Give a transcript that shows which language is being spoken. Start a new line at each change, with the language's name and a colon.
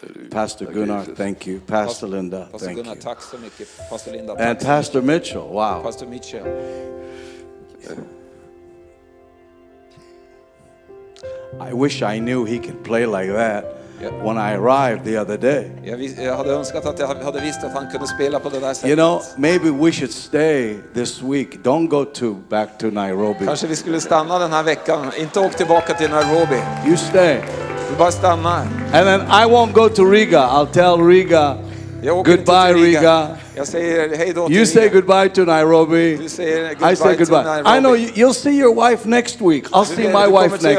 English: Pastor Gunnar, thank you. Pastor Linda, thank you.
Swedish: Pastor Gunnar, tack så mycket. Pastor Linda.
English: And Pastor Mitchell, wow. Pastor Mitchell. I wish I knew he could play like that. Yeah. When I arrived the other day.
Swedish: Jag hade önskat att jag hade visst att han kunde spela på det där sättet.
English: You know, maybe we should stay this week. Don't go back to Nairobi.
Swedish: Kanske vi skulle stanna den här veckan. Inte åka tillbaka till Nairobi.
English: You stay.
Swedish: Du bara stanna.
English: And then I won't go to Riga. I'll tell Riga. Goodbye, Riga.
Swedish: Jag säger hej då.
English: You say goodbye to Nairobi.
Swedish: Du säger
English: goodbye. I say goodbye. Nairobi. I know you'll see your wife next week. I'll see my wife next week.